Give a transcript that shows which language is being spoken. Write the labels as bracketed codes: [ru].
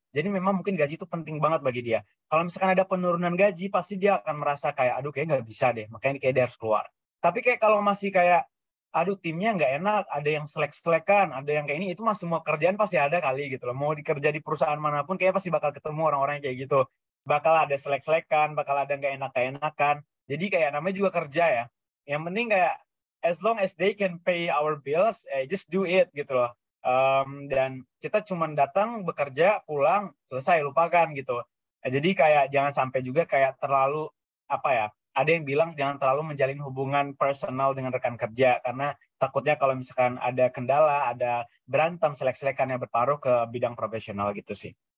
[id] Jadi memang mungkin gaji itu penting banget bagi dia. Kalau misalkan ada penurunan gaji, pasti dia akan merasa kayak, aduh kayak nggak bisa deh, makanya kayak dia harus keluar. Tapi kayak kalau masih kayak, aduh timnya nggak enak, ada yang selek-selekan, ada yang kayak ini, itu mah semua kerjaan pasti ada kali gitu loh. Mau dikerja di perusahaan manapun, kayak pasti bakal ketemu orang-orang kayak gitu. Bakal ada selek-selekan, bakal ada nggak enak-enakan. Jadi kayak namanya juga kerja ya. Yang penting kayak, [en] as long as they can pay our bills, just do it [id] gitu loh. Dan kita cuma datang bekerja pulang selesai lupakan gitu. Jadi kayak jangan sampai juga kayak terlalu apa ya? Ada yang bilang jangan terlalu menjalin hubungan personal dengan rekan kerja karena takutnya kalau misalkan ada kendala, ada berantem, selek-selekan yang berpengaruh ke bidang profesional gitu sih.